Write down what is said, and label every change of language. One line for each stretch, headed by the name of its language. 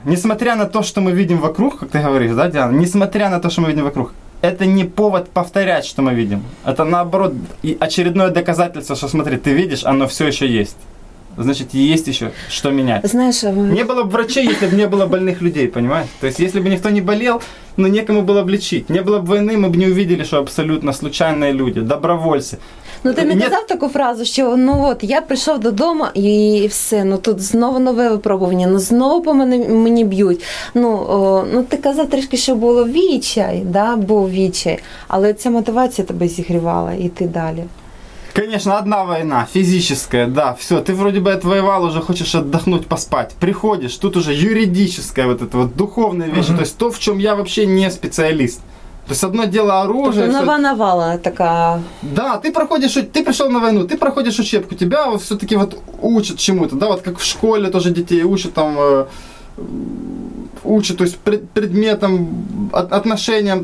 Russian: Несмотря на то, что мы видим вокруг, как ты говоришь, да, Диана, несмотря на то, что мы видим вокруг, это не повод повторять, что мы видим. Это, наоборот, очередное доказательство, что, смотри, ты видишь, оно все еще есть. значит, есть еще что менять. Знаешь, не было бы врачей, если бы не было больных людей, понимаешь? То есть, если бы никто не болел, ну, некому было бы лечить. Не было бы войны, мы бы не увидели, что абсолютно случайные люди, добровольцы.
Ukrainian: Ну, ты мені казав таку фразу, що, ну, от, я прийшов додому і все, ну, тут знову нове випробування, ну, знову по мене мені б'ють. Ну, ну, ти казав трішки, що було відчай, да, був відчай, але ця мотивація тебе зігрівала іти далі.
Russian: Конечно, одна война, физическая, да, все, ты вроде бы отвоевал, уже хочешь отдохнуть, поспать, приходишь, тут уже юридическая вот эта вот духовная вещь, то есть то, в чем я вообще не специалист. То есть одно дело оружие. Это нова-навала такая. Да, ты проходишь, ты пришел на войну, ты проходишь учебку, тебя вот все-таки вот учат чему-то, да, вот как в школе тоже детей учат там, учат, то есть предметам, отношениям.